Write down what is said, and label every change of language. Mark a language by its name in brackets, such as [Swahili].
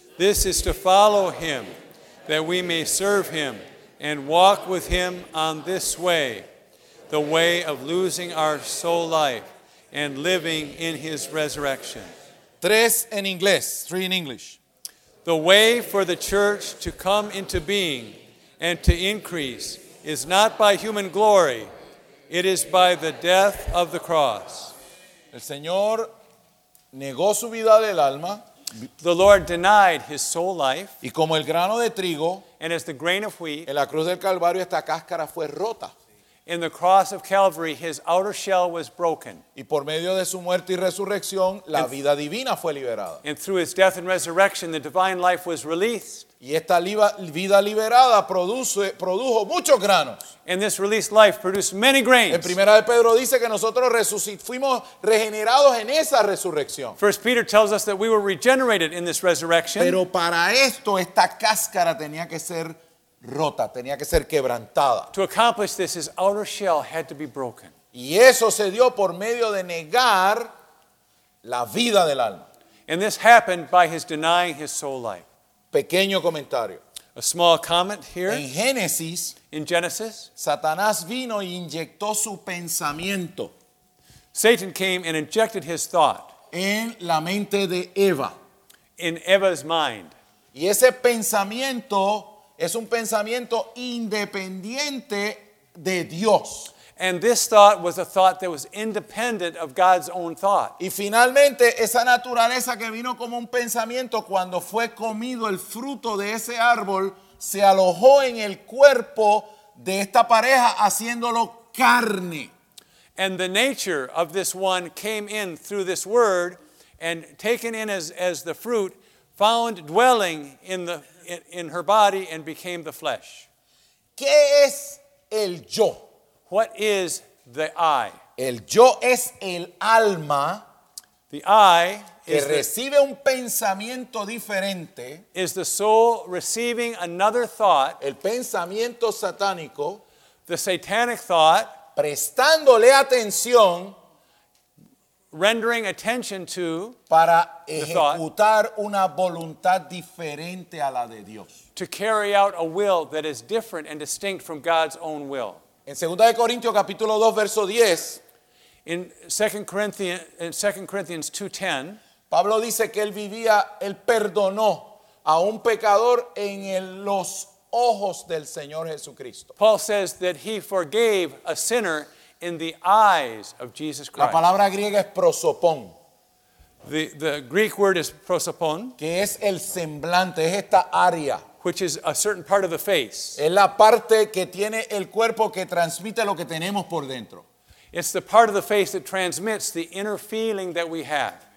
[English] This is to follow him, that we may serve him and walk with him on this way, the way of losing our soul life and living in his resurrection. [Spanish] Tres en inglés. [English] Three in English. The way for the church to come into being and to increase is not by human glory, it is by the death of the cross. [Spanish] El Señor negó su vida del alma. [English] The Lord denied his soul life. [Spanish] Y como el grano de trigo, [English] and as the grain of wheat, [Spanish] en la cruz del Calvario esta cáscara fue rota. [English] In the cross of Calvary, his outer shell was broken. [Spanish] Y por medio de su muerte y resurrección, la vida divina fue liberada. [English] And through his death and resurrection, the divine life was released. [Spanish] Y esta vida liberada produjo muchos granos. [English] And this released life produced many grains. [Spanish] En primera de Pedro dice que nosotros fuimos regenerados en esa resurrección. [English] First Peter tells us that we were regenerated in this resurrection. [Spanish] Pero para esto, esta cáscara tenía que ser rota, tenía que ser quebrantada. [English] To accomplish this, his outer shell had to be broken. [Spanish] Y eso se dio por medio de negar la vida del alma. [English] And this happened by his denying his soul life. [Spanish] Pequeño comentario. [English] A small comment here. [Spanish] En Génesis, [English] in Genesis, [Spanish] Satanás vino y inyectó su pensamiento. [English] Satan came and injected his thought. [Spanish] En la mente de Eva. [English] In Eva's mind. [Spanish] Y ese pensamiento es un pensamiento independiente de Dios. [English] And this thought was a thought that was independent of God's own thought. [Spanish] Y finalmente, esa naturaleza que vino como un pensamiento, cuando fue comido el fruto de ese árbol, se alojó en el cuerpo de esta pareja, haciéndolo carne. [English] And the nature of this one came in through this word, and taken in as the fruit, found dwelling in her body and became the flesh. [Spanish] ¿Qué es el yo? [English] What is the I? [Spanish] El yo es el alma. [English] The I is [Spanish] que recibe un pensamiento diferente. [English] Is the soul receiving another thought? [Spanish] El pensamiento satánico. [English] The satanic thought. [Spanish] Prestándole atención. [English] Rendering attention to. [Spanish] Para ejecutar una voluntad diferente a la de Dios. [English] To carry out a will that is different and distinct from God's own will. [Spanish] En 2 Corintios capítulo 2 verso 10, [English] in 2 Corinthians 2:10, [Spanish] Pablo dice que él vivía, él perdonó a un pecador en los ojos del Señor Jesucristo. [English] Paul says that he forgave a sinner in the eyes of Jesus Christ. [Spanish] La palabra griega es prosopon. [English] The Greek word is prosopon, [Spanish] que es el semblante, es esta área. [English] Which is a certain part of the face. [Spanish] Es la parte que tiene el cuerpo que transmite lo que tenemos por dentro. [English] It's the part of the face that transmits the inner feeling that we have.